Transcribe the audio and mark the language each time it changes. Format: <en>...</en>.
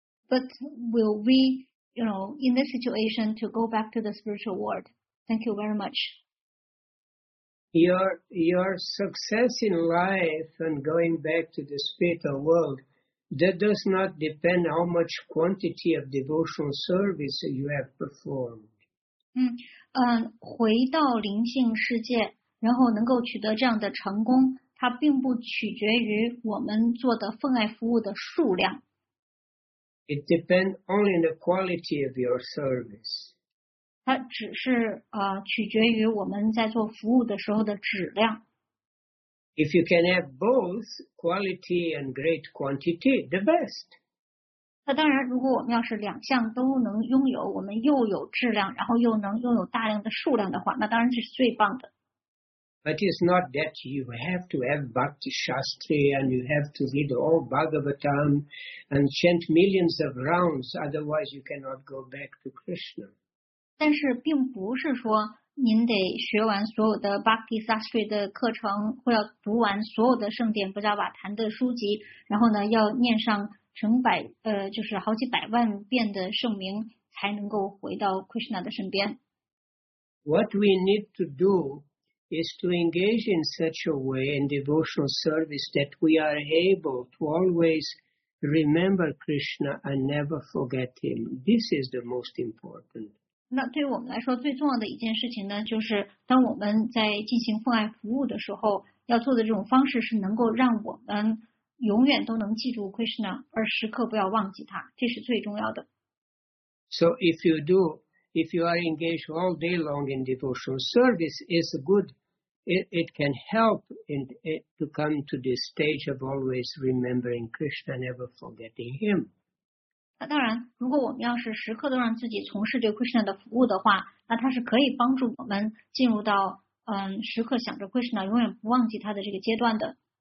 <en>But will we, in this situation to go back to the spiritual world? Thank you very much. Your success in life and going back to the spiritual world, that does not depend how much quantity of devotional service you have performed.</en> <zh>回到灵性世界，然后能够取得这样的成功，它并不取决于我们做的奉爱服务的数量。</zh> <en>It depends only on the quality of your service.</en> <zh>它只是取决于我们在做服务的时候的质量。</zh> <en>If you can have both quality and great quantity, the best.</en> <zh>那当然，如果我们要是两项都能拥有，我们又有质量，然后又能拥有大量的数量的话，那当然是最棒的。</zh> <en>But it's not that you have to have Bhakti Shastri and you have to read all Bhagavatam and chant millions of rounds, otherwise you cannot go back to Krishna.</en> <zh>但是并不是说您得学完所有的 Bhakti Shastri 的课程，或要读完所有的圣典不加瓦坛的书籍，然后呢要念上成百就是好几百万遍的圣名，才能够回到 Krishna 的身边。</zh> <en>What we need to do. Is to engage in such a way in devotional service that we are able to always remember Krishna and never forget him. This is the most important.</en> <zh>那对我们来说最重要的一件事情呢，就是当我们在进行奉爱服务的时候，要做的这种方式是能够让我们永远都能记住 Krishna， 而时刻不要忘记他，这是最重要的。</zh> <en>So if you do. If you are engaged all day long in devotional service, it's good. It can help in it to come to this stage of always remembering Krishna, never forgetting him.</en> <zh>那当然，如果我们要是时刻都让自己从事对 Krishna 的服务的话，那它是可以帮助我们进入到时刻想着 Krishna， 永远不忘记他的这个阶段的。</zh>